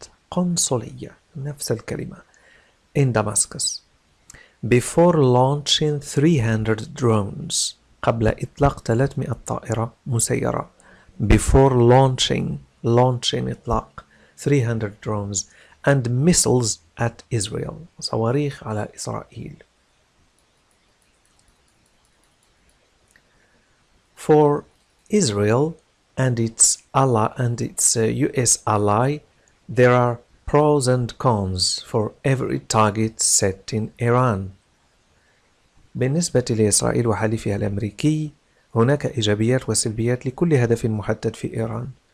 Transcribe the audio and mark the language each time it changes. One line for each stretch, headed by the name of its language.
Arabic: قنصلية, نفس الكلمة,
English: in Damascus, before launching 300 drones,
Arabic: قبل إطلاق 300 طائرة مسيرة,
English: before launching إطلاق 300 drones and missiles at Israel,
Arabic: صواريخ على إسرائيل.
English: For Israel and its ally and its US ally, there are pros and cons for every target set in Iran.
Arabic: بالنسبة لإسرائيل وحليفها الأمريكي هناك إيجابيات وسلبيات لكل هدف محدد في إيران.